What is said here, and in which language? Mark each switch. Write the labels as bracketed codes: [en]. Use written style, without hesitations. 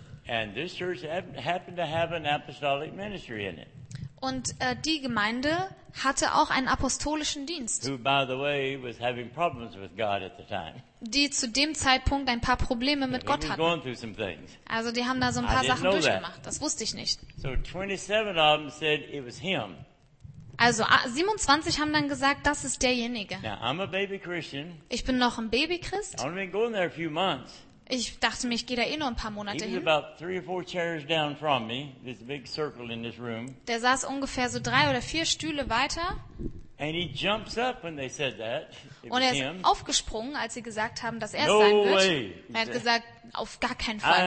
[en] And this church happened to have an apostolic ministry in it. [de] Und die Gemeinde hatte auch einen apostolischen Dienst, die zu dem Zeitpunkt ein paar Probleme mit Gott hatten. Also die haben da so ein paar Sachen durchgemacht. Das wusste ich nicht. [en] So 27 of them said it was him. [de] Also 27 haben dann gesagt, das ist derjenige. [en] Now, I'm a baby Christian. [de] Ich bin noch ein Babychrist. [en] I've only been going there a few months. [de] Ich dachte mir, ich gehe da eh nur ein paar Monate hin. Der saß ungefähr so drei oder vier Stühle weiter. [en] And he jumps up when they said that. [de] Und er ist aufgesprungen, als sie gesagt haben, dass er es sein wird. Er hat gesagt, auf gar keinen Fall.